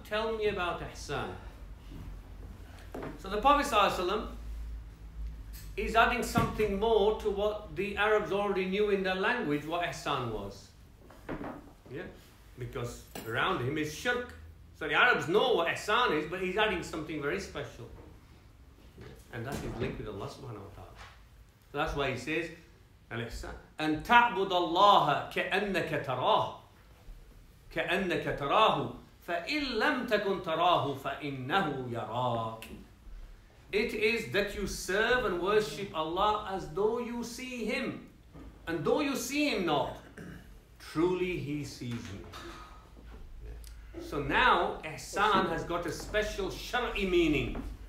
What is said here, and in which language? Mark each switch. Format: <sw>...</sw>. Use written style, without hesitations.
<en>Tell me about ihsan. So the Prophet ﷺ is adding something more to what the Arabs already knew in their language, what ihsan was. Yeah? Because around him is shirk. So the Arabs know what ihsan is, but he's adding something very special. And that is linked with Allah subhanahu wa ta'ala. So that's why he says,</en> <ar>أن تعبد الله كأنك تراه كأنك تراه فإن لم تكن تراه فإنه يراك.</ar> <en>It is that you serve and worship Allah as though you see Him, and though you see Him not, truly He sees you. So now Ihsan has got a special shar'i meaning.</en>